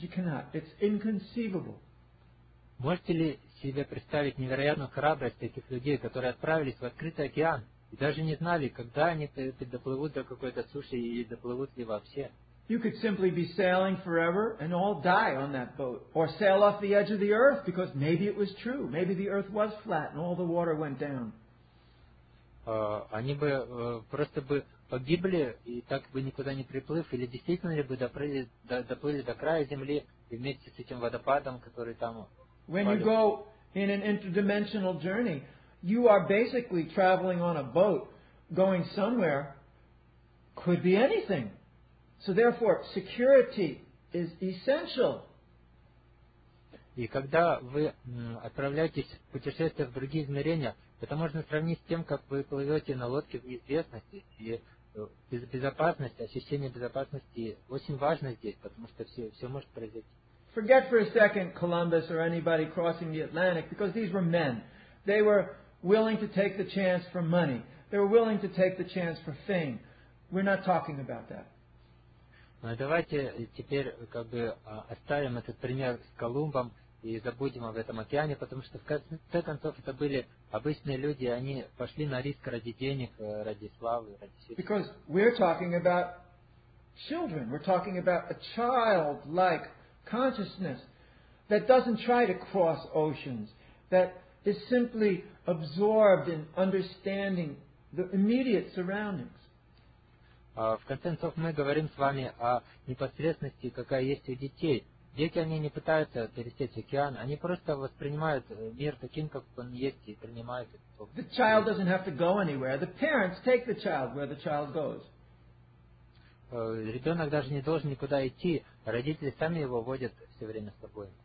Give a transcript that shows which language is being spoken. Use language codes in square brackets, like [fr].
[en] You cannot. It's inconceivable. [ru] Можете ли себе представить невероятную храбрость этих людей, которые отправились в открытый океан и даже не знали, когда они доплывут до какой-то суши и доплывут ли вообще? [en] You could simply be sailing forever and all die on that boat, or sail off the edge of the earth because maybe it was true, maybe the earth was flat and all the water went down. [ru] Они бы просто бы погибли и так бы никуда не приплыв, или действительно ли бы доплыли до края земли вместе с этим водопадом, который там. [en] When you go in an interdimensional journey, you are basically traveling on a boat, going somewhere, could be anything. So therefore, security is essential. [ru] И когда вы отправляетесь в путешествие в другие измерения, это можно сравнить с тем, как вы плывете на лодке в неизвестности, и безопасность, ощущение безопасности очень важно здесь, потому что все может произойти. [en] Forget for a second Columbus or anybody crossing the Atlantic, because these were men. They were willing to take the chance for money. They were willing to take the chance for fame. We're not talking about that. [ru] Но давайте теперь как бы оставим этот пример с Колумбом и забудем об этом океане, потому что в конце концов это были обычные люди, они пошли на риск ради денег, ради славы, ради счастья. [en] Because we're talking about children. We're talking about a childlike consciousness that doesn't try to cross oceans, that is simply absorbed in understanding the immediate surroundings. [ru] В конце концов, мы говорим с вами о непосредственности, какая есть у детей. Дети, они не пытаются пересечь океан, они просто воспринимают мир таким, как он есть, и принимают его. [en] The child doesn't have to go anywhere. The parents take the child where the child goes. [ru] Ребенок даже не должен никуда идти, родители сами его водят все время с собой.